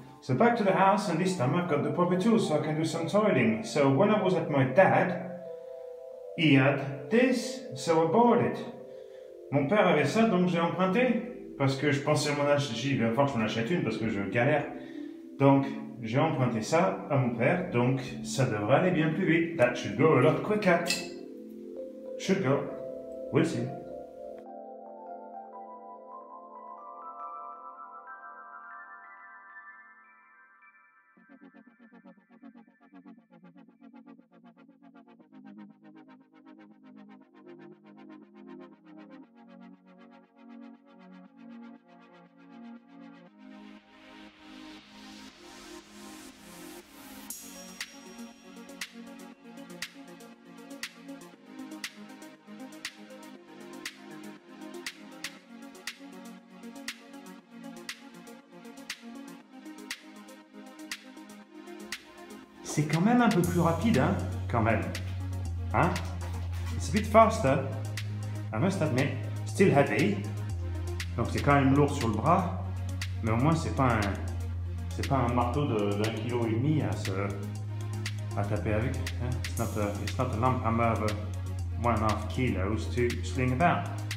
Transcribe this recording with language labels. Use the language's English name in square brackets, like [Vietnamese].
[English] So back to the house and this time I've got the proper tool so I can do some tiling. So when I was at my dad, he had this, so I bought it. [French] Mon père avait ça, donc j'ai emprunté. Parce que je pensais à mon âge, j'ai dit, il va falloir que je m'en achète une parce que je galère. Donc, j'ai emprunté ça à mon père, donc ça devrait aller bien plus vite. [English] That should go a lot quicker. Should go. We'll see. Thank you. [French] c'est quand même un peu plus rapide, hein, quand même. Hein? [English] It's a bit faster, I must admit, still heavy. [French] Donc c'est quand même lourd sur le bras, mais au moins c'est pas un marteau d'un kilo et demi à taper avec. Hein? [English] It's not a lump hammer of 1.5 kilos to sling about.